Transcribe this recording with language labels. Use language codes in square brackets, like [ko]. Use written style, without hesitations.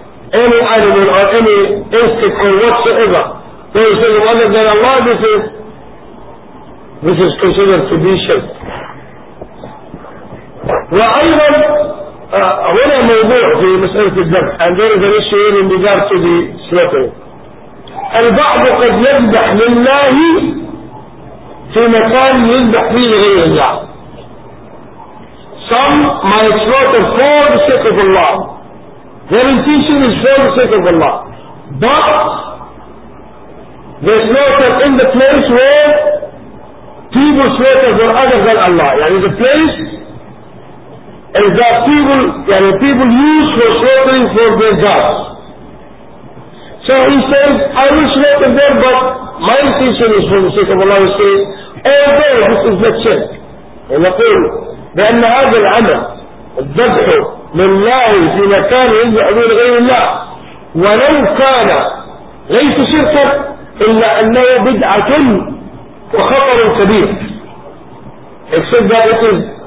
[en] Any animal or any instinct or whatsoever. For the sake of other than Allah, this is considered to be shirk. [ar] وأيضا هنا موضوع في مسألة الدم [en] and there is an issue in regard to the slaughtering. [ar] البعض قد يذبح لله في مكان يذبح فيه لغير الله. [en] Some might slaughter for the sake of Allah. Their intention is for the sake of Allah. But they slaughter in the place where people slaughter for other than Allah. يعني the place and that people use for slaughtering for their gods. So he says, I will slaughter them, but my intention is for the sake of Allah. He says, although this is not shirk. And I say, [ar] لأن هذا العمل الذبح لله في مكان يذبح به لغير الله ولو كان ليس شركا إلا أنه بدعة وخطر كبير. [en] Except that it is